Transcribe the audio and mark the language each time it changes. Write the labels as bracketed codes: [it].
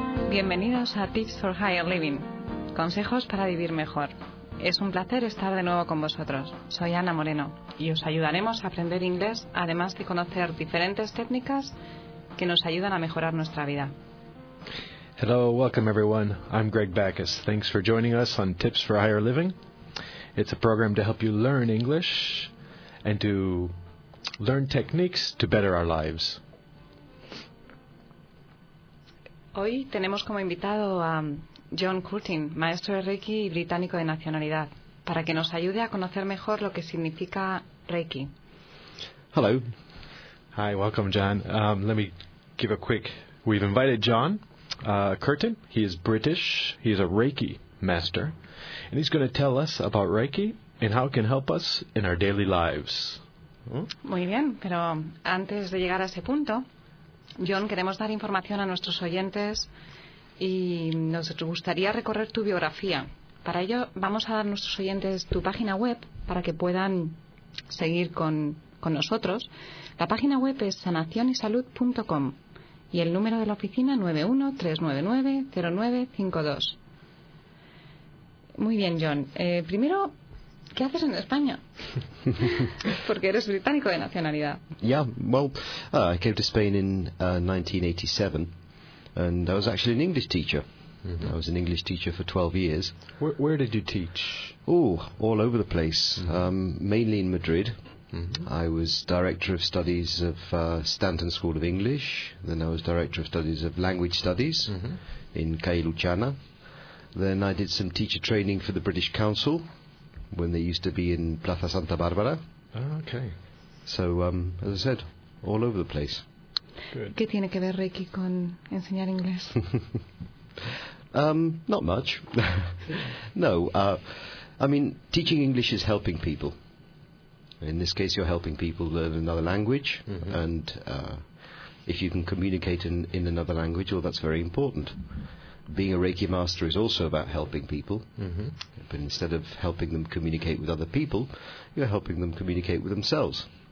[es] Bienvenidos a Tips for Higher Living, consejos para vivir mejor. Es un placer estar de nuevo con vosotros. Soy Ana Moreno y os ayudaremos a aprender inglés, además de conocer diferentes técnicas que nos ayudan a mejorar nuestra vida. [en] Hello, welcome everyone. I'm Greg Backus. Thanks for joining us on Tips for Higher Living. It's a program to help you learn English and to learn techniques to better our lives. [es] Hoy tenemos como invitado a John Curtin, maestro de Reiki y británico de nacionalidad, para que nos ayude a conocer mejor lo que significa Reiki. [en] Hello. Hi, welcome, John. Let me give a quick... We've invited John Curtin. He is British. He is a Reiki master. And he's going to tell us about Reiki and how it can help us in our daily lives. [es] Muy bien, pero antes de llegar a ese punto, John, queremos dar información a nuestros oyentes y nos gustaría recorrer tu biografía. Para ello, vamos a dar a nuestros oyentes tu página web para que puedan seguir con nosotros. La página web es sanacionysalud.com y el número de la oficina 913990952. Muy bien, John. Primero, ¿qué haces en España? Porque eres británico de nacionalidad. [en] Yeah, well, I came to Spain in 1987, and I was actually an English teacher. Mm-hmm. I was an English teacher for 12 years. Where did you teach? Oh, all over the place, mainly in Madrid. Mm-hmm. I was director of studies of Stanton School of English, then I was director of studies of language studies in Calle Luchana. Then I did some teacher training for the British Council, when they used to be in Plaza Santa Bárbara. Ah, okay. So, as I said, all over the place. Good. [es] ¿Qué tiene que ver Reiki con enseñar inglés? [en] Not much. No, I mean, teaching English is helping people. In this case, you're helping people learn another language, and if you can communicate in another language, well, that's very important. Being a Reiki master is also about helping people, but instead of helping them communicate with other people, you're helping them communicate with themselves.